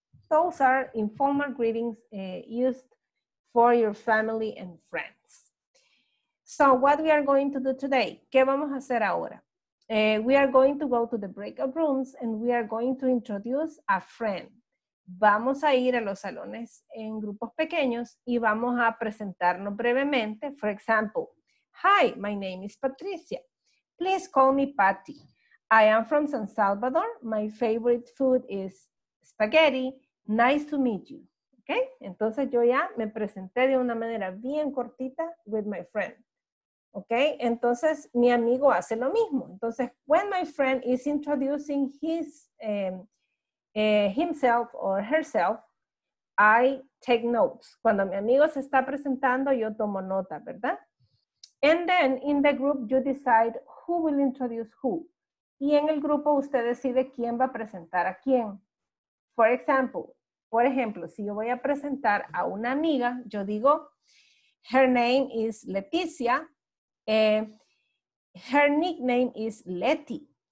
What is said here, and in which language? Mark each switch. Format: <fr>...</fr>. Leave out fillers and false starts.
<en>Those are informal greetings used for your family and friends. So what we are going to do today?</en> <es>¿Qué vamos a hacer ahora?</es> <en>We are going to go to the breakout rooms and we are going to introduce a friend.</en> <es>Vamos a ir a los salones en grupos pequeños y vamos a presentarnos brevemente.</es> <en>For example, hi, my name is Patricia. Please call me Patty. I am from San Salvador. My favorite food is spaghetti. Nice to meet you. Okay?</en> <es>Entonces yo ya me presenté de una manera bien cortita</es> <en>with my friend. Okay?</en> <es>Entonces mi amigo hace lo mismo. Entonces</es> <en>when my friend is introducing his himself or herself, I take notes.</en> <es>Cuando mi amigo se está presentando, yo tomo nota, ¿verdad?</es> <en>And then in the group, you decide who will introduce who.</en> <es>Y en el grupo, usted decide quién va a presentar a quién. Por ejemplo, si yo voy a presentar a una amiga, yo digo,</es> <en>her name is Leticia. Her nickname is Leti.</en>